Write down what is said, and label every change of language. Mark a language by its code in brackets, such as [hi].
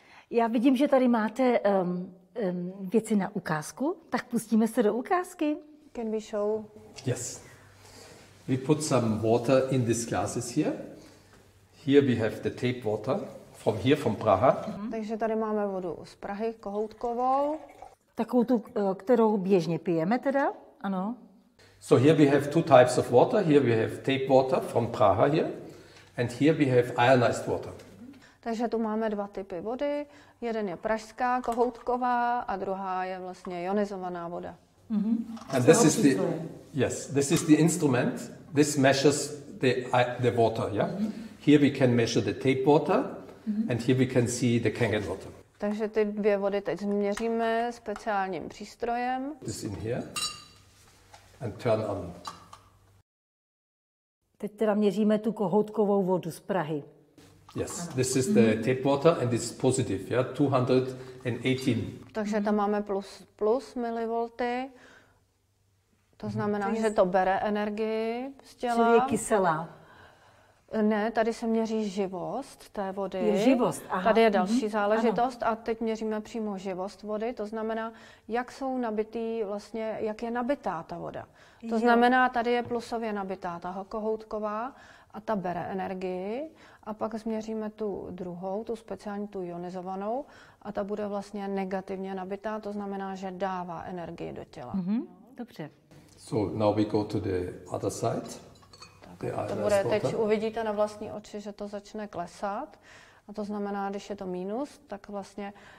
[cs] Já vidím, že tady máte věci na ukázku, tak pustíme se do ukázky. [en] Can we show? Yes. We put some water in these glasses here. Here we have the tape water from here, from Praha. [cs] Takže tady máme vodu z Prahy, kohoutkovou. Takovou tu, kterou běžně pijeme teda, ano. [en] So here we have two types of water. Here we have tape water from Praha here. And here we have ionized water. [cs] Takže tu máme dva typy vody. Jeden je pražská, kohoutková a druhá je vlastně ionizovaná voda. [en] And this is the instrument. This measures the water. Yeah. Here we can measure the tape water, and here we can see the kangen water. [cs] Takže ty dvě vody teď změříme speciálním přístrojem. [en] This in here and turn on. [cs] Teď teda měříme tu kohoutkovou vodu z Prahy. [en] Yes, this is the tap water and it's positive, yeah, 218. [cs] Takže tam máme plus milivolty. To znamená, že to bere energii z těla. Čili je kyselá. Ne, tady se měří živost té vody. Je živost, aha. Tady je další záležitost a teď měříme přímo živost vody. To znamená, jak jsou nabitý, vlastně, jak je nabitá ta voda. To znamená, tady je plusově nabitá ta kohoutková a ta bere energii. A pak změříme tu druhou, tu speciální, tu ionizovanou. A ta bude vlastně negativně nabitá, to znamená, že dává energii do těla. Mm-hmm. Dobře. [en] So now we go to the other side. [cs] To bude, teď uvidíte na vlastní oči, že to začne klesat. A to znamená, když je to minus, tak vlastně...